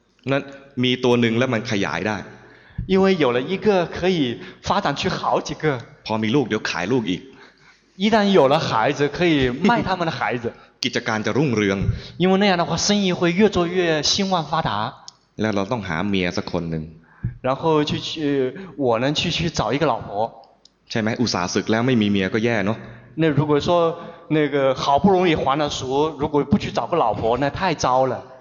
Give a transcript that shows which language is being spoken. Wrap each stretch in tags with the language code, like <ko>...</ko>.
<th>นั้นมีตัวหนึ่งแล้วมันขยายได้</th> <zh>因为有了一个可以发展去好几个</zh> <th>พอมีลูกเดี๋ยวขายลูกอีก</th> <zh>一旦有了孩子可以卖他们的孩子</zh> <th>กิจการจะรุ่งเรือง</th> <zh>因为那样的话生意会越做越兴旺发达</zh> <th>แล้วเราต้องหาเมียสักคนหนึ่ง</th> <zh>然后去我呢去找一个老婆</zh> <th>ใช่ไหมอุตส่าห์ศึกแล้วไม่มีเมียก็แย่เนาะ</th> <zh>那如果说那个好不容易还了俗如果不去找个老婆那太糟了</zh>